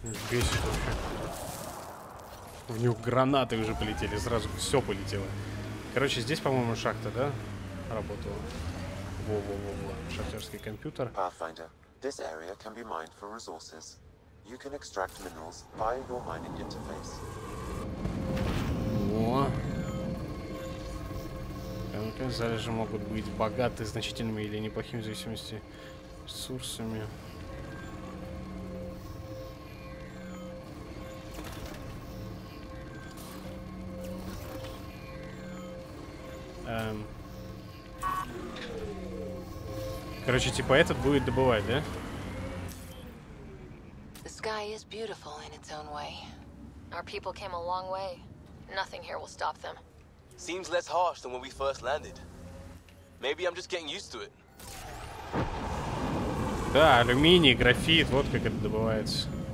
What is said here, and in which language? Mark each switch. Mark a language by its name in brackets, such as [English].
[Russian] Бесит вообще. У них гранаты уже полетели, сразу все полетело. Короче, здесь, по-моему, шахта, да, работала. Во-во-во-во, шахтерский компьютер. [English] Pathfinder, this area can be mined for resources. You can extract minerals via your mining interface. [Russian] Во. Залежи могут быть богаты значительными или неплохими в зависимости ресурсами. Короче, типа этот будет добывать, да? [English] The sky is beautiful in its own way. Our people came a long way. Nothing here will stop them. Seems less harsh than when we first landed. Maybe I'm just getting used to it. [Russian] Да, алюминий, графит, вот как это добывается.